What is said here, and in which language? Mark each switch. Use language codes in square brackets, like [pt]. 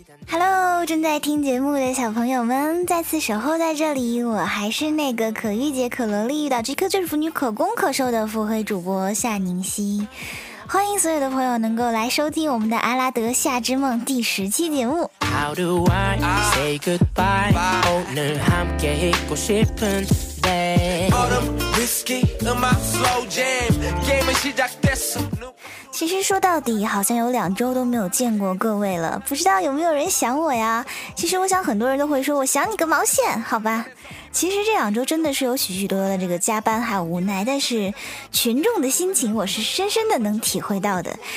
[zh] Hello， 正在听节目的小朋友们，再次守候在这里，我还是那个可御姐可萝莉，遇到 GQ 就是腐女可攻可受的腹黑主播夏宁熙。欢迎所有的朋友能够来收听我们的阿拉德夏之梦第十期节目。 [en] How do I say goodbye? [ko] 오늘함께있고싶은 day. [en] Autumn whiskey in my slow jam. [ko] Game 시작됐어 [zh] 其实说到底好像有两周都没有见过各位了，不知道有没有人想我呀。其实我想很多人都会说我想你个毛线，好吧。其实这两周真的是有许许多多的这个加班还有无奈，但是群众的心情我是深深的能体会到的。